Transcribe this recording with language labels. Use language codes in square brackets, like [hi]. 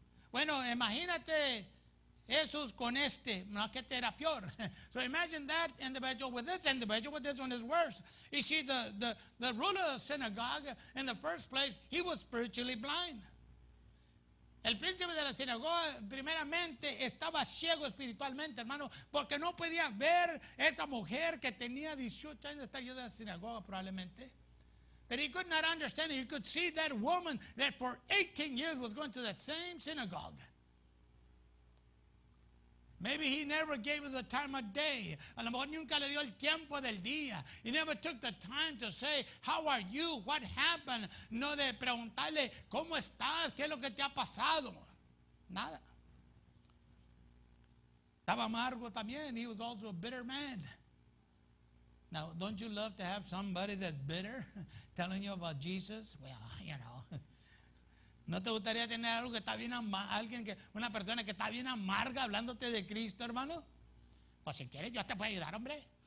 [es] Bueno, imagínate Jesús con este. No, que te era peor. [en] So imagine that individual with this individual, but this one is worse. You see, the ruler of the synagogue, in the first place, he was spiritually blind. [es] El príncipe de la sinagoga, primeramente, estaba ciego espiritualmente, hermano, porque no podía ver esa mujer que tenía 18 años de estar en la sinagoga, probablemente. [en] That he could not understand it. He could see that woman that for 18 years was going to that same synagogue. Maybe he never gave her the time of day. [es] A lo mejor nunca le dio el tiempo del día. [en] He never took the time to say, how are you? What happened? [es] No de preguntarle, ¿cómo estás? ¿Qué es lo que te ha pasado? Nada. Estaba amargo también. [en] He was also a bitter man. Now, don't you love to have somebody that's bitter telling you about Jesus? Well, you know. [es] ¿No te gustaría tener algo que está bien alguien que una persona que está bien amarga hablándote de Cristo, hermano? Pues si quieres, yo te puedo ayudar, hombre.